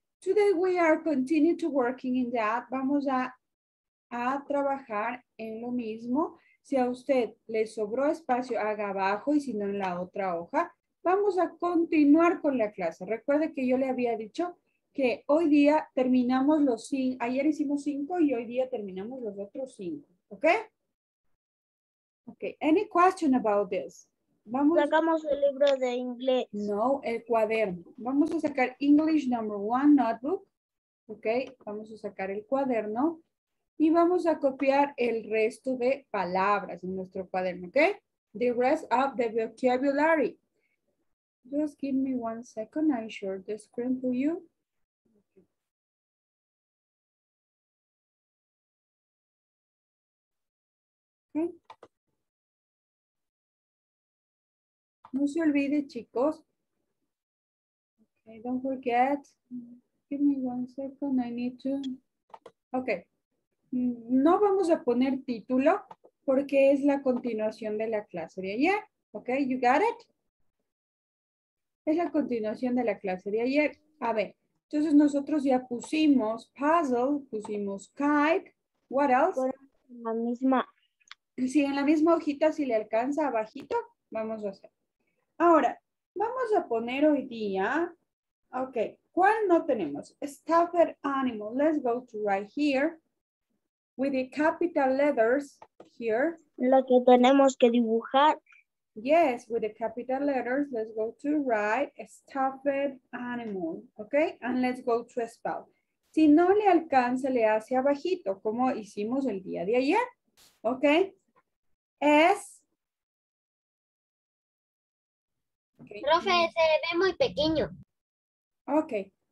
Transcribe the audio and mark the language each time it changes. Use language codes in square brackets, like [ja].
[en] Today we are continuing to working in that. [es] Vamos a trabajar en lo mismo. Si a usted le sobró espacio, haga abajo y si no en la otra hoja. Vamos a continuar con la clase. Recuerde que yo le había dicho que hoy día terminamos los cinco. Ayer hicimos cinco y hoy día terminamos los otros cinco. [en] Okay. Okay, any question about this? [es] Vamos. Sacamos el libro de inglés. No, el cuaderno. Vamos a sacar [en] English number one notebook. [es] Okay, vamos a sacar el cuaderno y vamos a copiar el resto de palabras en nuestro cuaderno. [en] Okay, the rest of the vocabulary. Just give me 1 second, I share the screen for you. [es] No se olvide, chicos. Okay, [en] don't forget. Give me 1 second. I need to. Okay. [es] No vamos a poner título porque es la continuación de la clase de ayer. [en] Okay, you got it? [es] Es la continuación de la clase de ayer. A ver, entonces nosotros ya pusimos puzzle, pusimos kite. [en] What else? [es] En la misma. Sí, en la misma hojita, si le alcanza abajito, vamos a hacer. Ahora, vamos a poner hoy día, ok, ¿cuál no tenemos? [en] Stuffed animal, let's go to right here, with the capital letters here. [es] Lo que tenemos que dibujar. [en] Yes, with the capital letters, let's go to write stuffed animal, okay? And let's go to spell. [es] Si no le alcanza, le hace abajito, como hicimos el día de ayer, okay? S. Okay. Profe, se ve muy pequeño. [en] Okay.